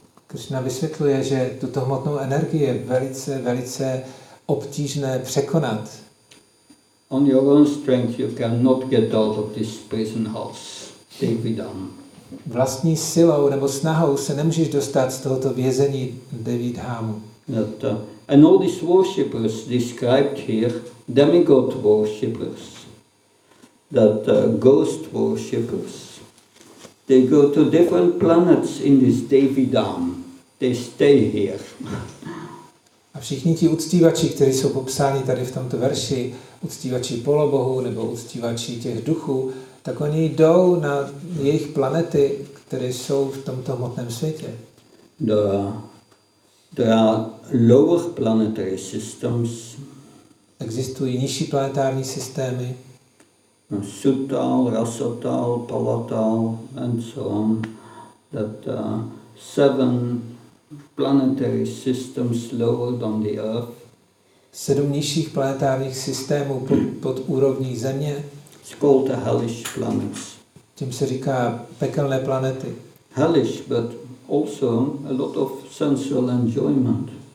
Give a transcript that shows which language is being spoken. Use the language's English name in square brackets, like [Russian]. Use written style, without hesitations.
[Czech] Krishna vysvětluje, že tuto hmotnou energii je velice, velice obtížné překonat. [English] On your own strength you cannot get out of this prison house, Devidham. [Czech] Vlastní silou nebo snahou se nemůžeš dostat z tohoto vězení Devidhamu. [English] And all these worshippers described here, demigod worshippers, that ghost worshippers, they go to different planets in this Devidham. they stay here. [Czech] A všichni ti uctívači, kteří jsou popsáni tady v tomto verši, uctívači polobohů nebo uctívači těch duchů, tak oni jdou na jejich planety, které jsou v tomto hmotném světě. [English] There are lower planetary systems. [Czech] Existují nižší planetární systémy. [English] Sutal, Rasotal, Palatal and so on. That seven planetary systems lower than the Earth. [Czech] Sedm nižších planetárních systémů pod úrovní Země. [English] It's called the hellish planets. [Czech] Tím se říká pekelné planety. [English] Hellish, but also a lot of sensual enjoyment.